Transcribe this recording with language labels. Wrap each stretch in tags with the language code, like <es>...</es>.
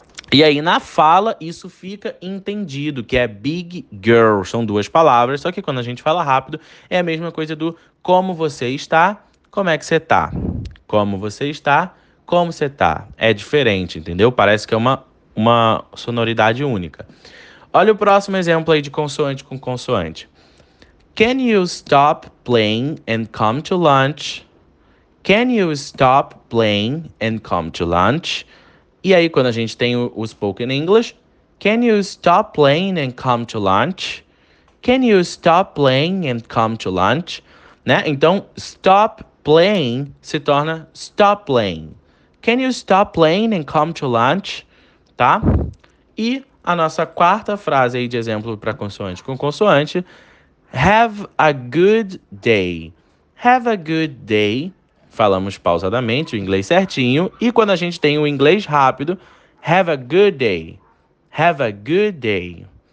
<pt>E aí, na fala, isso fica entendido, que é</pt> <en>big girl,</en> <pt>são duas palavras, só que quando a gente fala rápido, é a mesma coisa do como você está, como é que você tá, como você está, como você tá? É diferente, entendeu? Parece que é uma sonoridade única. Olha o próximo exemplo aí de consoante com consoante.</pt> <en>Can you stop playing and come to lunch? Can you stop playing and come to lunch?</en> <pt>E aí, quando a gente tem o</pt> <en>spoken English, can you stop playing and come to lunch? Can you stop playing and come to lunch?</en> <pt>Né? Então,</pt> <en>stop playing</en> <pt>se torna</pt> <en>stop playing. Can you stop playing and come to lunch?</en> <pt>Tá? E a nossa quarta frase aí de exemplo para consoante com consoante.</pt> <en>Have a good day. Have a good day.</en> <pt>Falamos pausadamente o inglês certinho. E quando a gente tem o inglês rápido.</pt> <en>Have a good day. Have a good day.</en>